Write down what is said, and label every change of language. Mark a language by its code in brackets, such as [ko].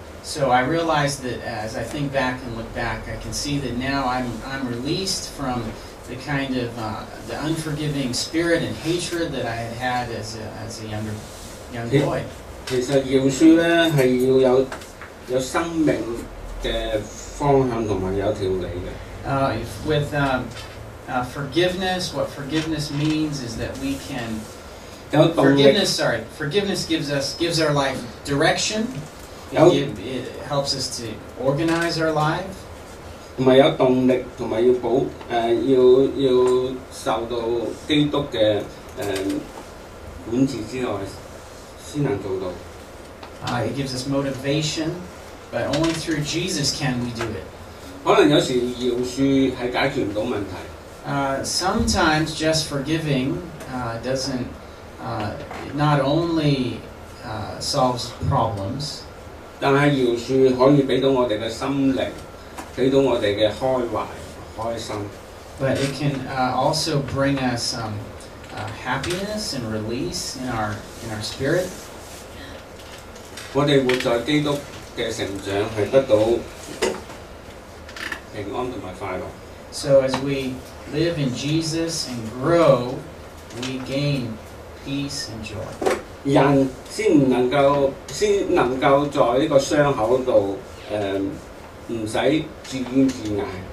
[en] So I realized that as I think back and look back, I can see that now I'm released from the kind of the unforgiving spirit and hatred that I had had as a younger boy. [yue] 其實饒恕咧係要有生命嘅方向同埋有條理嘅。 [en] Forgiveness, what forgiveness means is that we can forgiveness. Sorry, forgiveness gives our life direction. It helps us to organize our life. [yue] 同埋有動力，同埋要保，要受到基督嘅管治之外，先能做到。 [en] It gives us motivation, but only through Jesus can we do it. [yue] 可能有時饒恕係解決唔到問題。 [en] Sometimes just forgiving doesn't not only solves problems. [yue] 但係饒恕可以俾到我哋嘅心靈，俾到我哋嘅開懷、開心。 [en] But it can also bring us some happiness and release in our spirit. [yue] 我哋活在基督嘅成長，係得到平安同埋快樂。 [en] So as we live in Jesus and grow, we gain peace and joy. [yue] 人先能夠在呢個傷口度，唔使自怨自艾。